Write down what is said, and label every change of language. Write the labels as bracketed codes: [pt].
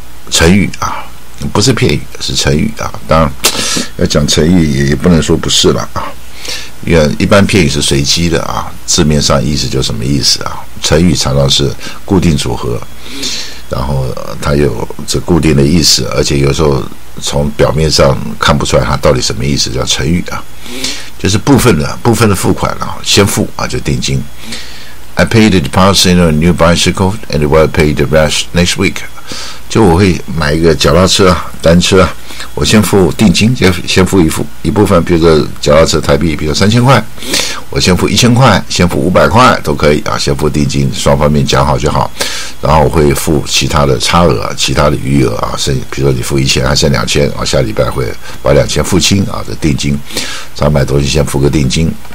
[zh] 成语啊，不是片语，是成语啊。当然要讲成语 也不能说不是了啊，因为一般片语是随机的啊，字面上意思就什么意思啊。成语常常是固定组合，然后它有这固定的意思，而且有时候从表面上看不出来它到底什么意思，叫成语啊。就是部分的付款啊，先付啊，就定金。 [en] I pay the deposit in a new bicycle and will pay the rest next week. [zh] 就我会买一个脚踏车啊，单车啊，我先付定金，先付一部分，比如说脚踏车台币，比如3000块，我先付1000块，先付500块都可以啊，先付定金，双方面讲好就好。然后我会付其他的差额，其他的余额啊，剩比如说你付1000，还剩2000，啊，下礼拜会把2000付清啊，这定金，想买东西先付个定金。